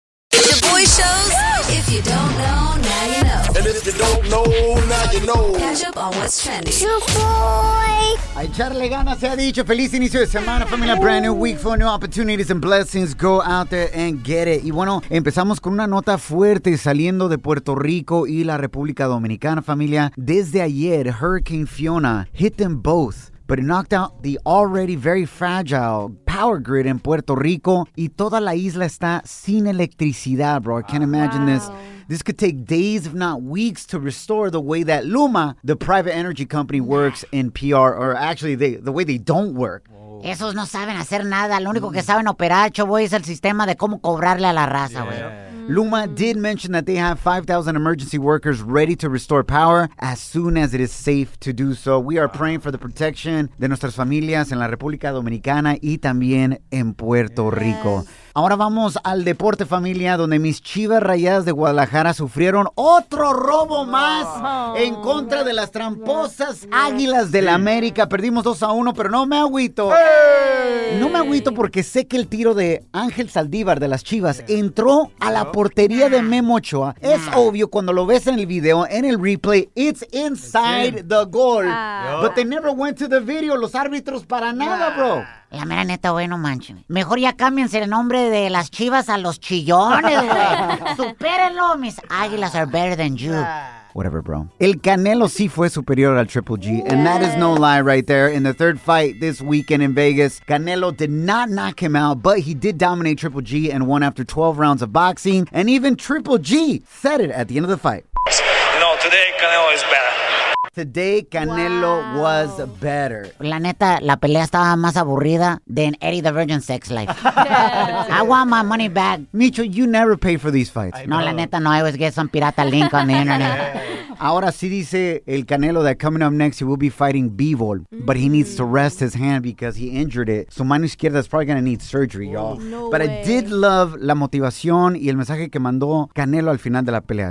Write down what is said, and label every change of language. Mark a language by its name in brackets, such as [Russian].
[English] The Boy Shows. If you don't know, now you know. And if you don't know, now you know. Catch up on what's trending. Your boy. [Spanish] A echarle ganas, se ha dicho. Feliz inicio de semana, familia. [English] Brand new week for new opportunities and blessings. Go out there and get it. [Spanish] Y bueno, empezamos con una nota fuerte saliendo de Puerto Rico y la República Dominicana, familia. Desde ayer, [English] Hurricane Fiona hit them both, but it knocked out the already very fragile power grid in Puerto Rico. [Spanish] Y toda la isla está sin electricidad, bro. [English] I can't imagine this. This could take days, if not weeks, to restore the way that Luma, the private energy company, works in PR, or actually the way they don't work. [Spanish] Esos no saben hacer nada. Lo único que saben operar, chavoy, es el sistema de cómo cobrarle a la raza, güey. [English] Yeah. Luma did mention that they have 5,000 emergency workers ready to restore power as soon as it is safe to do so. We are praying for the protection [Spanish] de nuestras familias en la República Dominicana y también en Puerto Rico. Ahora vamos al deporte, familia, donde mis Chivas Rayadas de Guadalajara sufrieron otro robo más en contra de las tramposas Águilas del América. Perdimos 2-1, pero no me agüito. No me agüito porque sé que el tiro de Ángel Saldívar de las Chivas entró a la portería de Memo Ochoa. Es obvio cuando lo ves en el video, en el replay, [English] it's inside the goal. But they never went to the video, [Spanish] los árbitros, para nada, [English] bro. [Spanish] La mera neta, güey, no manches. Mejor ya cámbiense el nombre de las Chivas a los Chillones, güey. Supérenlo, mis Águilas [English] are better than you. Whatever, bro. [Spanish] El Canelo sí fue superior al Triple G. [English] And that is no lie right there. In the third fight this weekend in Vegas, Canelo did not knock him out, but he did dominate Triple G and won after 12 rounds of boxing. And even Triple G said it at the end of the fight. No, today Canelo is better. Today Canelo was better. [Spanish] La neta, la pelea estaba más aburrida [English] than Eddie the Virgin sex life. I want my money back. Micho, you never pay for these fights. [Spanish] No, la neta, no. [English] I always get some pirata link on the internet. [Spanish] Ahora sí dice el Canelo [English] that coming up next, he will be fighting Bivol, but he needs to rest his hand because he injured it. [Spanish] Su mano izquierda [English] is probably going to need surgery, y'all. No way. I did love [Spanish] la motivación y el mensaje que mandó Canelo al final de la pelea.